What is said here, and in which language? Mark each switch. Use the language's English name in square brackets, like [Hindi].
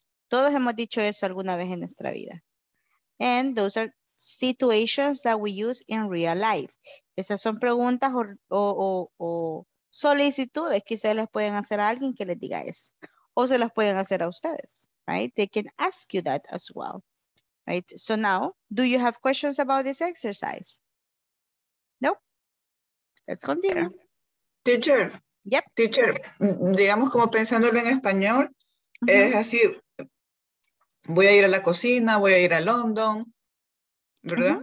[Spanish] Todos hemos dicho eso alguna vez en nuestra vida. [English] And those are situations that we use in real life. [Spanish] Esas son preguntas o solicitudes que ustedes les pueden hacer a alguien que les diga eso. O se las pueden hacer a ustedes, right? [English] They can ask you that as well, right? So now, do you have questions about this exercise? No? Let's continue. Teacher. Yep. [Spanish] Teacher, digamos como pensándolo en español, uh-huh. es así, voy a ir a la cocina, voy a ir a London, ¿verdad?